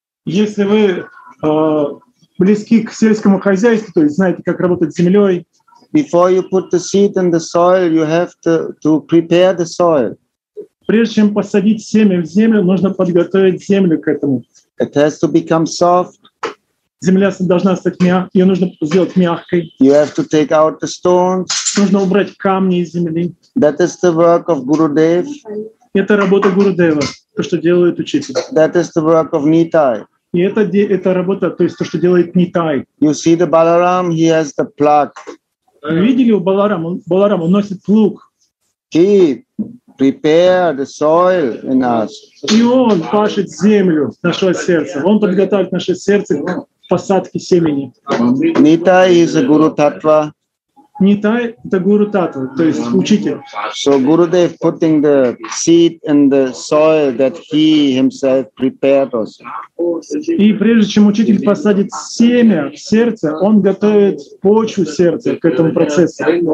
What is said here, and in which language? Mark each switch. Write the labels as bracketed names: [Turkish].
[Russian] если вы близки к сельскому хозяйству, то есть знаете, как работать с землей. [English] Before you put the seed in the soil, you have to prepare the soil. [Russian] Прежде чем посадить семя в землю, нужно подготовить землю к этому. [English] It has to become soft. [Russian] Земля должна стать мягкой, ее нужно сделать мягкой. [English] You have to take out the stones. [Russian] Нужно убрать камни из земли. [English] That is the work of Gurudev. [Russian] Это работа Гурудева, то, что делает учитель. [English] That is the work of Nitai. [Russian] И это работа, то есть то, что делает Нитай. [English] You see the Balaram, he has the plug. [Russian] Видели у Баларама? Баларам, он носит плуг. [English] He prepare the soil in us. [Russian] И он пашет землю нашего сердца. Он подготавливает наше сердце к посадке семени. [English] Nitai is a guru tattva. [Russian] Nitai – это guru tattva, то есть учитель. [English] So Gurudev putting the seed in the soil that he himself prepared us. [Russian] И прежде чем учитель посадит семя в сердце, он готовит почву сердца к этому процессу.